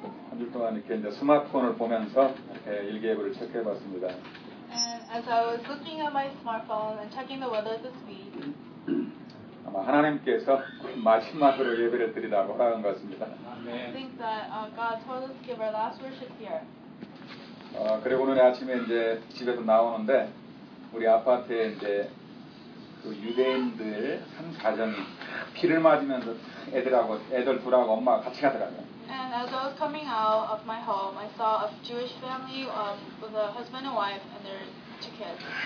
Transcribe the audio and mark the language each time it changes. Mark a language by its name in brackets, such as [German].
[Korean] 한 주 동안 이렇게 이제 스마트폰을 보면서 이렇게 일기예보를 체크해봤습니다. [English] And as I was looking at my smartphone and checking the weather this week. [Korean] 아마 하나님께서 마지막으로 예배를 드리라고 허락한 것 같습니다. [English] I think that God told us to give our last worship here. [Korean] 그리고 오늘 아침에 이제 집에서 나오는데 우리 아파트에 이제 그 유대인들 한 가정이 피를 맞으면서 애들하고 애들 둘하고 엄마가 같이 가더라고요. [English] And as I was coming out of my home, I saw a Jewish family with a husband and wife and their two kids.